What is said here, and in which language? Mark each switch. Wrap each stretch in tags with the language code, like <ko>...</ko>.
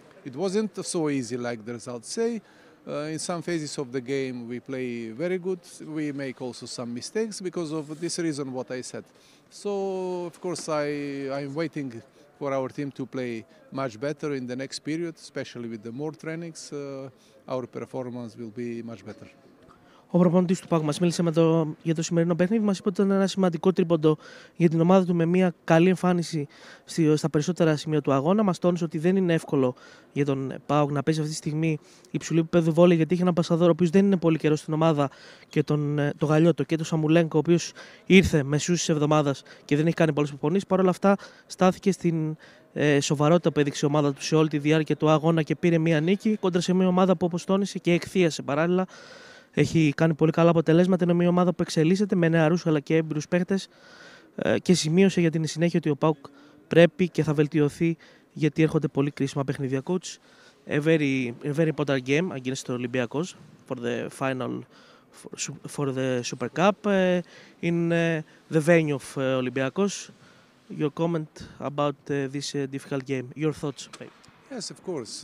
<en>It wasn't so easy like the results say. In some phases of the game, we play very good. We make also some mistakes because of this reason what I said. So, of course, I'm waiting for our team to play much better in the next period, especially with the more trainings. Our performance will be much better.</en> <el>Ο προπονητής του ΠΑΟΚ μας μίλησε για το σημερινό παιχνίδι. Μας είπε ότι ήταν ένα σημαντικό τρίποντο για την ομάδα του με μια καλή εμφάνιση στα περισσότερα σημεία του αγώνα. Μας τόνισε ότι δεν είναι εύκολο για τον ΠΑΟΚ να παίζει αυτή τη στιγμή υψηλού επίπεδου βόλεϊ, γιατί έχει έναν πασαδόρο ο οποίος δεν είναι πολύ καιρό στην ομάδα και το Γαλλιώτο και τον Σαμουλένκο, ο οποίος ήρθε μεσούς της εβδομάδας και δεν έχει κάνει πολλές προπονήσεις. Παρ' όλα αυτά, στάθηκε στην σοβαρότητα που έδειξε η ομάδα του σε όλη τη διάρκεια του αγώνα και πήρε μια νίκη κόντρα σε μια ομάδα που, όπως τόνισε, και εκθίασε παράλληλα. Έχει κάνει πολύ καλά αποτελέσματα. Είναι μια ομάδα που εξελίσσεται με νεαρούς αλλά και έμπειρους παίχτες και σημείωσε για την συνέχεια ότι ο ΠΑΟΚ πρέπει και θα βελτιωθεί γιατί έρχονται πολύ κρίσιμα παιχνίδια.</el> <en>Coach, a very important game against the Olympiacos for the final for the Super Cup in the venue of Olympiacos. Your comment about this difficult game, your thoughts, babe. Yes, of course.</en>